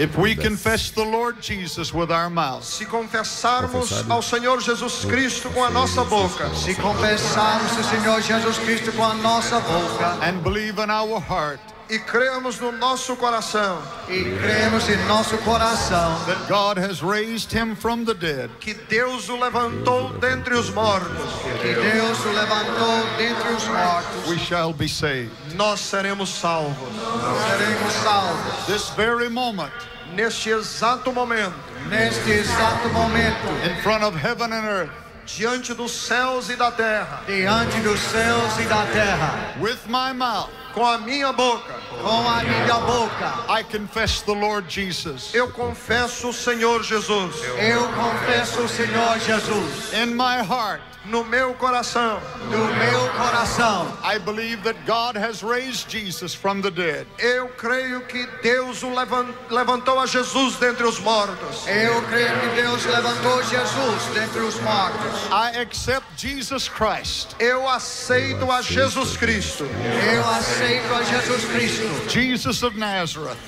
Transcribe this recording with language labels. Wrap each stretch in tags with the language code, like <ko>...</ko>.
<en>If we confess the Lord Jesus with our mouth.</en> <pt>Se confessarmos ao Senhor Jesus Cristo com a nossa boca. Se confessarmos ao Senhor Jesus Cristo com a nossa boca.</pt> <en>And believe in our heart.</en> <pt>E cremos no nosso coração. E cremos em nosso coração.</pt> <en>That God has raised him from the dead.</en> <pt>Que Deus o levantou dentre os mortos. Que Deus o levantou dentre os mortos.</pt> <en>We shall be saved.</en> <pt>Nós seremos salvos. Nós seremos salvos.</pt> <en>This very moment.</en> <pt>Neste exato momento. Neste exato momento.</pt> <en>In front of heaven and earth.</en> <pt>Diante dos céus e da terra. Diante dos céus e da terra.</pt> <en>With my mouth.</en> <pt>Com a minha boca. Com a minha boca.</pt> <en>I confess the Lord Jesus.</en> <pt>Eu confesso o Senhor Jesus. Eu confesso o Senhor Jesus.</pt> <en>In my heart.</en> <pt>No meu coração. No meu coração.</pt> <en>I believe that God has raised Jesus from the dead.</en> <pt>Eu creio que Deus o levantou a Jesus dentre os mortos. Eu creio que Deus levantou Jesus dentre os mortos.</pt> <en>I accept Jesus Christ.</en> <pt>Eu aceito a Jesus Cristo. Eu aceito a Jesus Cristo.</pt> <en>Jesus of Nazareth.</en>